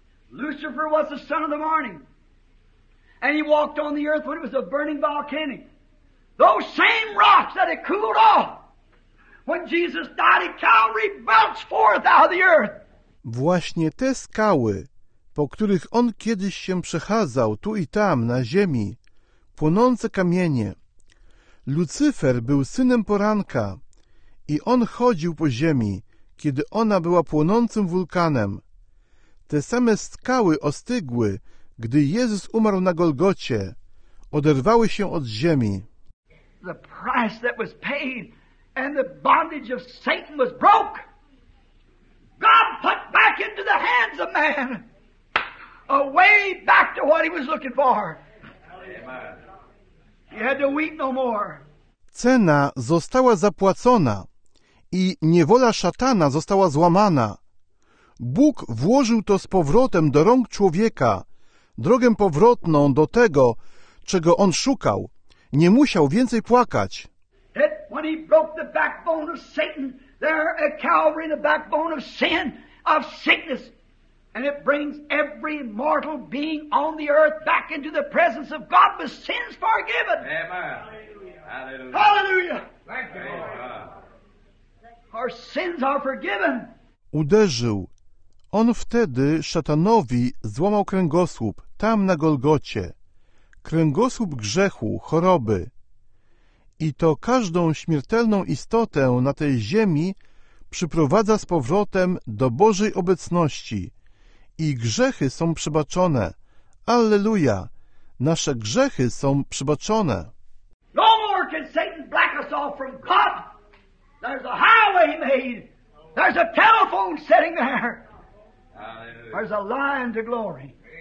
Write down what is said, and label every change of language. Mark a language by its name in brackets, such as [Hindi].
[English] Lucifer was the son of the morning. And he walked on the earth when it was a burning volcanic. Those same rocks that had cooled off when Jesus died at Calvary bounced forth out of the earth. [Polish] Właśnie te skały, po których on kiedyś się przechadzał tu i tam na ziemi, płonące kamienie. Lucifer był synem poranka. I on chodził po ziemi, kiedy ona była płonącym wulkanem. Te same skały ostygły, gdy Jezus umarł na Golgocie. Oderwały się od ziemi. [English] The price that was paid and the bondage of Satan was broke. God put back into the hands of man a way back to what he was looking for. He had to weep no more. [Polish] Cena została zapłacona. I niewola szatana została złamana. Bóg włożył to z powrotem do rąk człowieka, drogę powrotną do tego, czego on szukał. Nie musiał więcej płakać. [English] When he broke the backbone of Satan, there at Calvary, the backbone of sin, of sickness, and it brings every mortal being on the earth back into the presence of God with sins forgiven. Amen. Hallelujah. Hallelujah. Thank you, Lord. Our sins are forgiven. [Polish] Uderzył. On wtedy szatanowi złamał kręgosłup tam na Golgocie. Kręgosłup grzechu, choroby. I to każdą śmiertelną istotę na tej ziemi przyprowadza z powrotem do Bożej obecności. I grzechy są przebaczone. Alleluja! Nasze grzechy są przebaczone. [English] No more can Satan black us off from God. There's a highway made. There's a telephone sitting there. There's a line to glory.